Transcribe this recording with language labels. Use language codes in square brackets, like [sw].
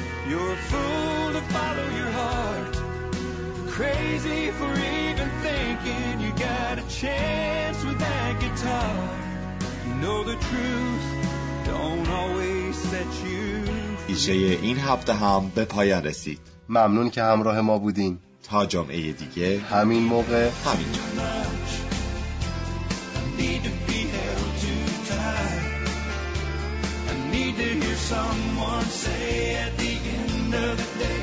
[en] You're a fool to follow your heart. Crazy for even thinking you got a chance with that guitar. You know the truth don't always set you free. [fa] ایشه این هفته هم به پایان رسید. ممنون که همراه ما بودین. تا جمعه دیگه همین موقع همین جا. [en] I need to be held too tight. I need to hear someone say at the